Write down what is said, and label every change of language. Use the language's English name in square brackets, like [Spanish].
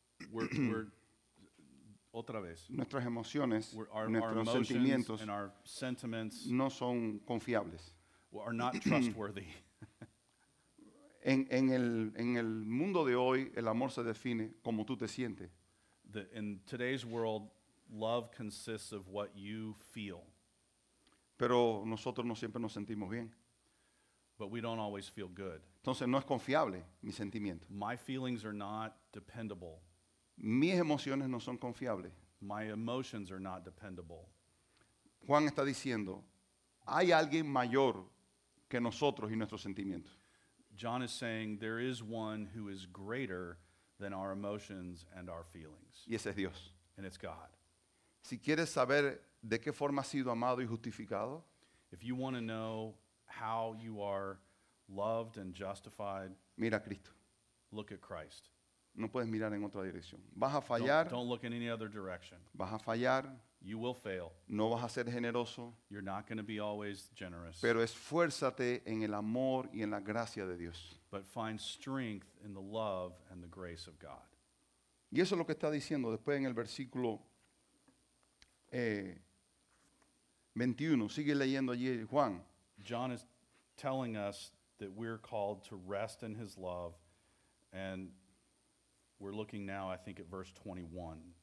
[Spanish] We're otra vez. Nuestras emociones, nuestros [English] sentimientos, and our sentiments [Spanish] no son confiables. [English] Are not trustworthy. [Spanish] En el mundo de hoy, el amor se define como tú te sientes. [English] In today's world, love consists of what you feel. [Spanish] Pero nosotros no siempre nos sentimos bien. [English] But we don't always feel good. [Spanish] Entonces no es confiable mi sentimiento. [English] My feelings are not dependable. [Spanish] Mis emociones no son confiables. [English] My emotions are not dependable. [Spanish] Juan está diciendo, hay alguien mayor que nosotros y nuestros sentimientos. [English] John is saying there is one who is greater than our emotions and our feelings. [Spanish] Y ese es Dios. [English] And it's God. [Spanish] Si quieres saber de qué forma has sido amado y justificado, [English] if you want to know how you are loved and justified, [Spanish] mira a Cristo. [English] Look at Christ. [Spanish] No puedes mirar en otra dirección. Vas a fallar. [English] Don't look in any other direction. [Spanish] Vas a fallar. [English] You will fail. [Spanish] No vas a ser generoso. [English] You're not going to be always generous. [Spanish] Pero esfuérzate en el amor y en la gracia de Dios. [English] But find strength in the love and the grace of God. [Spanish] Y eso es lo que está diciendo después en el versículo 21. Sigue leyendo allí Juan. [English] John is telling us that we're called to rest in his love and we're looking now, I think, at verse 21.